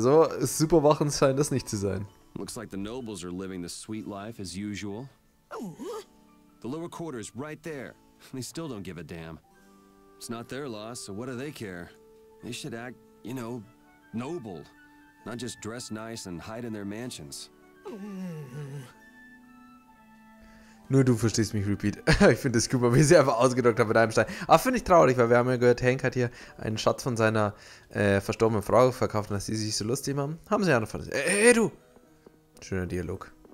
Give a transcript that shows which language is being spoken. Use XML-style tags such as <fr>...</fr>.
<de>So super wachend scheint das nicht zu sein.</de> <en>Looks like the nobles are living the sweet life as usual. The lower quarter is right there. They still don't give a damn. It's not their loss, so what do they care? They should act, you know, noble. Not just dress nice and hide in their mansions.</en> <de>Nur du verstehst mich, Repeat. Ich finde es cool, wie sie einfach ausgedrückt hat mit einem Stein. Aber finde ich traurig, weil wir haben ja gehört, Hank hat hier einen Schatz von seiner verstorbenen Frau verkauft, dass sie sich so lustig machen. Haben sie ja noch von... Ey, du! Schöner Dialog.</de>